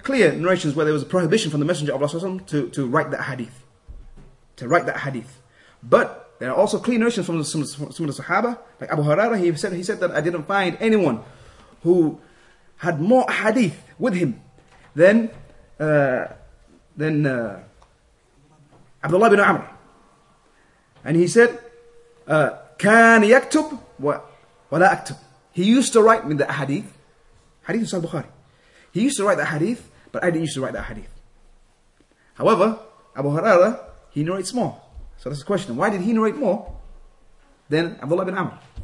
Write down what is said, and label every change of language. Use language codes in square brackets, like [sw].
[en] Clear narrations where there was a prohibition from the Messenger of Allah to write that hadith, to write that hadith. But there are also clear narrations from some of the Sahaba, like Abu Hurairah. He said that I didn't find anyone who had more hadith with him than Abdullah ibn Amr. And he said, [ar] كان يكتب ولا أكتب. [en] He used to write me the hadith of Sahih Bukhari. He used to write the hadith, but I didn't used to write the hadith. However, Abu Huraira, he narrates more. So that's the question. Why did he narrate more than Abdullah ibn Amr?